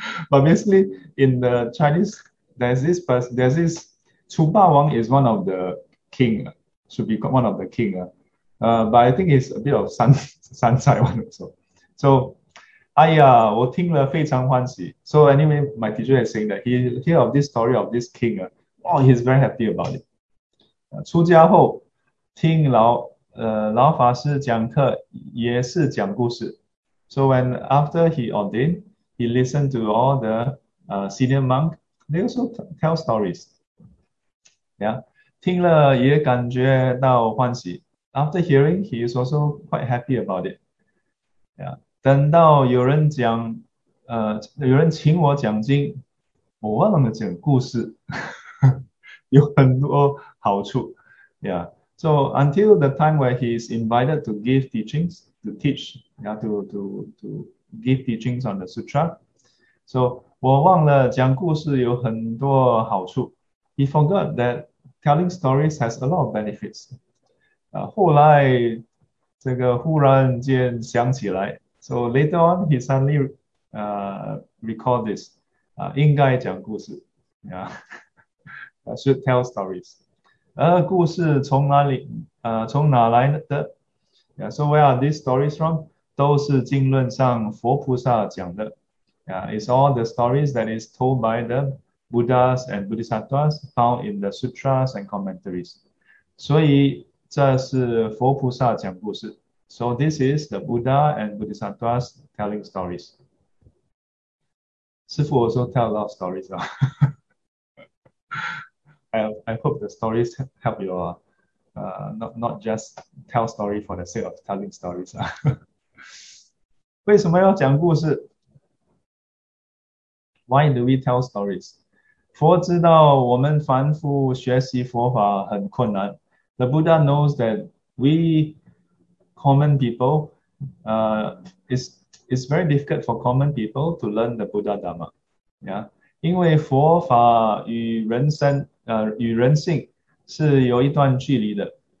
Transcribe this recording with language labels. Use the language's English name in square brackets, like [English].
[English] But basically in the Chinese there's this Chu Bao Wang is one of the king, should be one of the king. But I think it's a bit of [Chinese] 山寨 [English] one also. [Chinese] So, 哎呀，我听了非常欢喜。 [English] So anyway, my teacher is saying that he hear of this story of this king. Oh, he's very happy about it. [Chinese] 出家后听老法师讲课也是讲故事。 [English] So when after he ordained, he listened to all the senior monk. They also tell stories. Yeah, [Chinese] 听了也感觉到欢喜。 [English] After hearing, he is also quite happy about it. Yeah. [Chinese] 等到有人请我讲经，我忘了讲故事，有很多好处。 [English] Yeah. So until the time where he is invited to give teachings, to give teachings on the sutra. [Chinese] So 我忘了讲故事有很多好处。 [English] He forgot that telling stories has a lot of benefits. [Chinese] 后来，这个忽然间想起来， [English] so later on he suddenly recall this， [Chinese] 应该讲故事， [English] should tell stories。 [Chinese] 故事从哪里？从哪来的？ [English] So where are these stories from？ [Chinese] 都是经论上佛菩萨讲的。 [English] It's all the stories that is told by the Buddhas and Bodhisattvas found in the sutras and commentaries。 [Chinese] 所以这是佛菩萨讲故事， [English] So this is the Buddha and Bodhisattvas telling stories。师父 also tell a lot of stories 啊 I hope the stories help you not just tell story for the sake of telling stories 啊 [Chinese] 为什么要讲故事？ [English] Why do we tell stories？ [Chinese] 佛知道我们凡夫学习佛法很困难。 [English] The Buddha knows that we common people, it's very difficult for common people to learn the Buddha Dharma. [Chinese] Yeah, 因为佛法与人性是有一段距离的。